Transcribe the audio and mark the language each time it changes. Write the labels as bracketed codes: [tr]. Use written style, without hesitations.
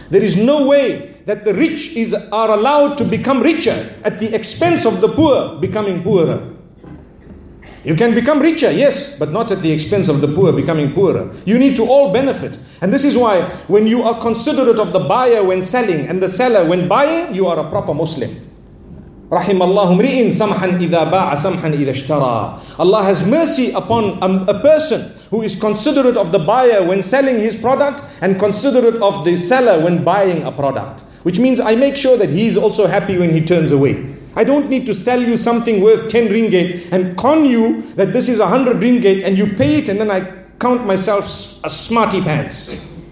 [en] There is no way that the rich are allowed to become richer at the expense of the poor becoming poorer. You can become richer, yes, but not at the expense of the poor becoming poorer. You need to all benefit. And this is why when you are considerate of the buyer when selling and the seller when buying, you are a proper Muslim. [ar] رحم الله امرئ سمحاً إذا باع سمحاً إذا اشترى. [en] Allah has mercy upon a person who is considerate of the buyer when selling his product and considerate of the seller when buying a product. Which means I make sure that he's also happy when he turns away. I don't need to sell you something worth 10 ringgit and con you that this is 100 ringgit and you pay it and then I count myself a smarty pants.